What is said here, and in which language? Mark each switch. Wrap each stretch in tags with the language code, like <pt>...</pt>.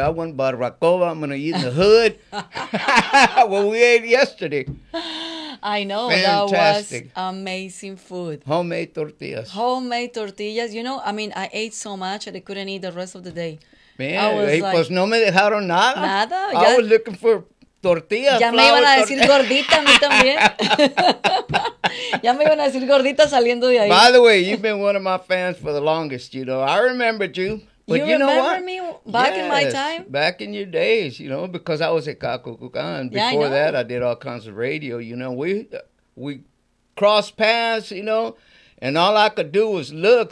<en>I went barbacoa, I'm going to eat in the hood. Well, we ate yesterday. I know. Fantastic. That was amazing food. Homemade tortillas. Homemade tortillas. You know, I mean, I ate so much that I couldn't eat the rest of the day.</en> <es>Man, pues no me dejaron nada. Nada.</es> <en>I was looking for tortillas.</en> <es>Ya me iban a decir gordita a mí también. Ya me iban a decir gordita saliendo de ahí.</es> <en>By the way, you've been one of my fans for the longest, you know. I remembered you. But you remember know what? Me back yes, in my time? Back in your days, you know, because I was at Caco Cucan. Before that, I did all kinds of radio, you know. We crossed paths, you know, and all I could do was look.</en>